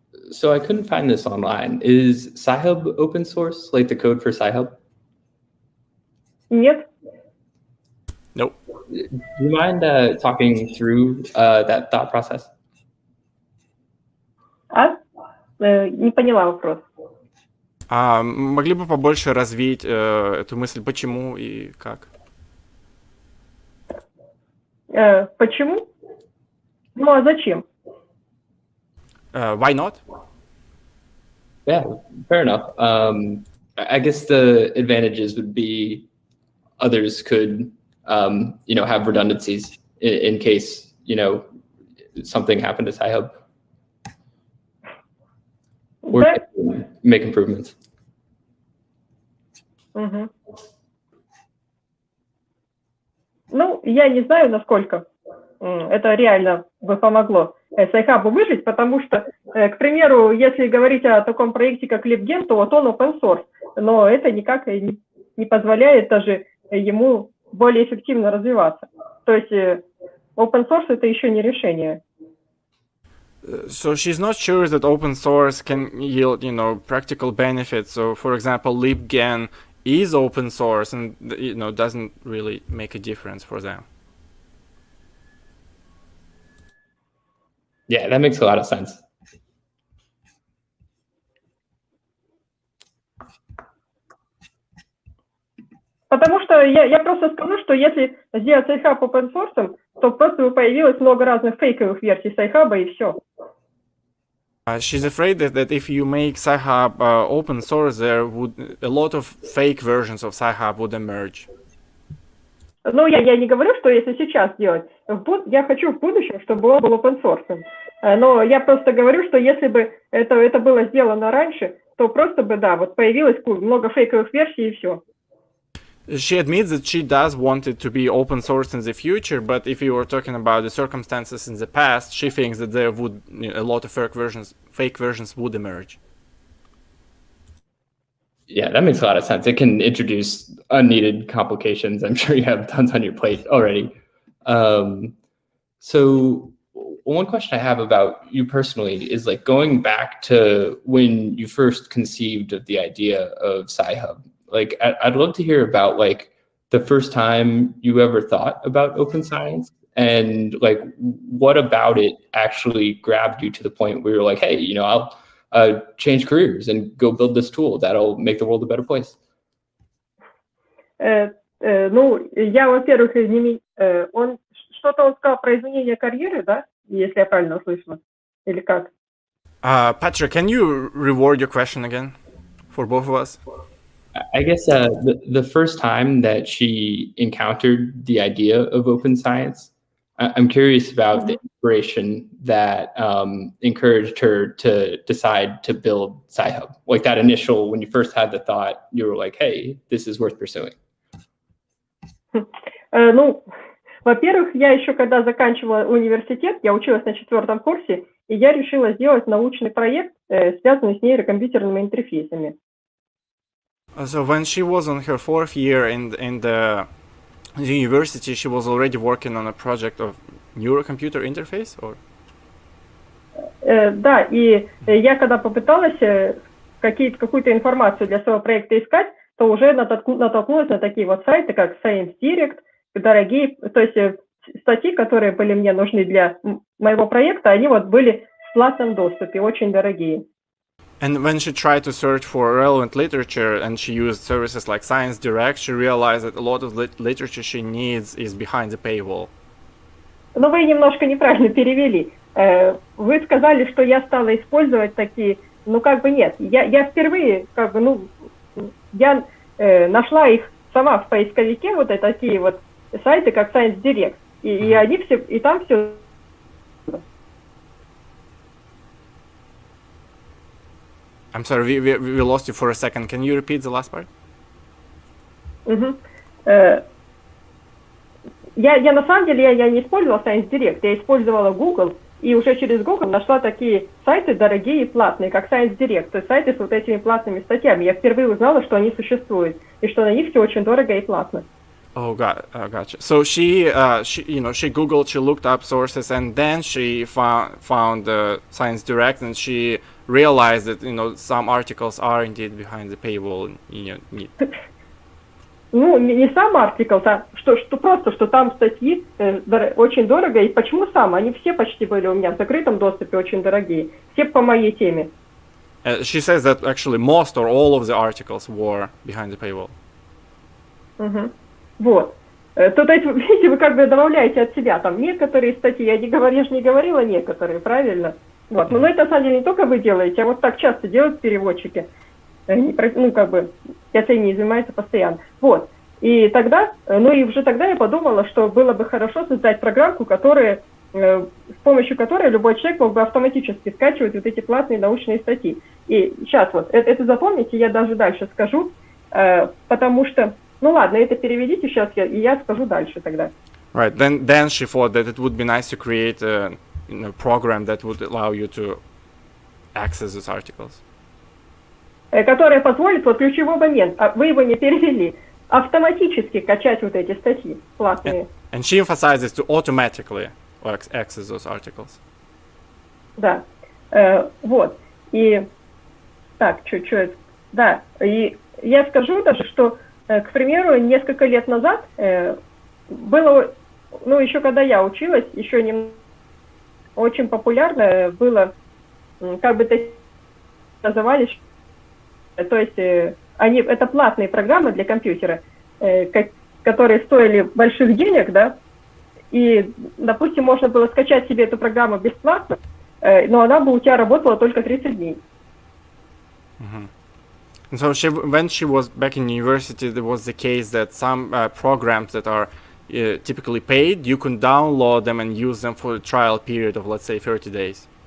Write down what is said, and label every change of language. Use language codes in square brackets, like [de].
[en] So I couldn't find this online. Is Sci-Hub open source, like the code for Sci-Hub? Yep. Nope. Do you mind talking through that thought process? [ru] Не поняла вопрос. Могли бы побольше развить эту мысль, почему и как? Почему? Ну а зачем? [en] Why not? Yeah, fair enough. I guess the advantages would be others could, you know, have redundancies in case, you know, something happened to Sci-Hub. Or that... make improvements. Mm-hmm. [ru] Ну, я не знаю, насколько это реально бы помогло Sci-Hub выжить, потому что, к примеру, если говорить о таком проекте, как LibGen, то вот он open source, но это никак не позволяет даже ему более эффективно развиваться. То есть open source — это еще не решение. [en] So she's not sure that open source can yield, you know, practical benefits. So, for example, LibGen is open source and, you know, doesn't really make a difference for them. Yeah, that makes a lot of sense. [ru] Потому что я просто скажу, что если сделать Sci-Hub open source, то просто появилось много разных фейковых версий Sci-Hub и все. [en] She's afraid that if you make Sci-Hub open source, there would a lot of fake versions of Sci-Hub would emerge. [ru] Ну, я не говорю, что если сейчас делать, я хочу в будущем, чтобы он был open source. Но я просто говорю, что если бы это было сделано раньше, то просто бы, да, вот появилось много фейковых версий и все. [en] She admits that she does want it to be open source in the future, but if you were talking about the circumstances in the past, she thinks that there would, you know, a lot of fake versions would emerge. Yeah, that makes a lot of sense. It can introduce unneeded complications. I'm sure you have tons on your plate already. So one question I have about you personally is, like, going back to when you first conceived of the idea of Sci-Hub, like, I'd love to hear about, like, the first time you ever thought about open science and, like, what about it actually grabbed you to the point where you're like, hey, you know, I'll change careers and go build this tool that'll make the world a better place. [ru] Ну, я, во-первых, он что-то сказал про изменение карьеры, да, если я правильно услышала, или как? [en] Patrick, can you reword your question again for both of us? I guess the first time that she encountered the idea of open science, I'm curious about the inspiration that encouraged her to decide to build Sci-Hub. Like that initial, when you first had the thought, you were like, hey, this is worth pursuing. [ru] Ну, во-первых, я еще когда заканчивала университет, я училась на четвертом курсе, и я решила сделать научный проект, связанный с нейрокомпьютерными интерфейсами. [en] So when she was on her fourth year in the university, she was already working on a project of neurocomputer interface, or? [ru] Да, и я когда попыталась какую-то информацию для своего проекта искать, то уже натолкнулась на такие вот сайты, как Science Direct, дорогие, то есть статьи, которые были мне нужны для моего проекта, они вот были в платном доступе, очень дорогие. [en] And when she tried to search for relevant literature and she used services like Science Direct, she realized that a lot of literature she needs is behind the paywall. [ru] Но вы немножко неправильно перевели. Вы сказали, что я стала использовать такие, ну как бы нет. Я впервые, как бы, ну, я нашла их сама в поисковике, вот такие вот сайты, как Science Direct. И они все, и там все. [en] I'm sorry, we lost you for a second. Can you repeat the last part? [ru] Я на самом деле я не использовала Science Direct, я использовала Google, и уже через Google нашла такие сайты дорогие и платные, как Science Direct, то есть сайты с вот этими платными статьями. Я впервые узнала, что они существуют, и что на них все очень дорого и платно. [en] Oh, gotcha. So she googled, she looked up sources, and then she found Science Direct, and she realized that, you know, some articles are indeed behind the paywall. [ru] Ну, не сам артикл, а что просто, что там статьи очень дорого, и почему сам? Они все почти были у меня в закрытом доступе, очень дорогие, все по моей теме. [en] She says that actually most or all of the articles were behind the paywall. [ru] Вот. Тут, видите, вы как бы добавляете от себя там некоторые статьи, я же не говорила некоторые, правильно? Вот. Но это, на самом деле, не только вы делаете, а вот так часто делают переводчики. Ну, как бы, если не занимается постоянно. Вот. И тогда, ну и уже тогда я подумала, что было бы хорошо создать программку, которая, с помощью которой любой человек мог бы автоматически скачивать вот эти платные научные статьи. И сейчас вот, это запомните, я даже дальше скажу, потому что, ну ладно, это переведите сейчас, и я скажу дальше тогда. [en] Right, then she thought that it would be nice to create a program that would allow you to access those articles. [ru] Которая позволит, вот ключевой момент, вы его не перевели, автоматически качать вот эти статьи платные. [en] And she emphasizes to automatically access those articles. [ru] Да, вот, и так, чуть-чуть, да, и я скажу даже, что, к примеру, несколько лет назад было, ну, еще когда я училась, еще не очень популярно было, как бы это назывались. То есть они это платные программы для компьютера, которые стоили больших денег, да, и, допустим, можно было скачать себе эту программу бесплатно, но она бы у тебя работала только 30 дней. Mm-hmm. [en] So she, when she was back in university, there was the case that some programs that are typically paid, you can download them and use them for a trial period of, let's say, 30 days.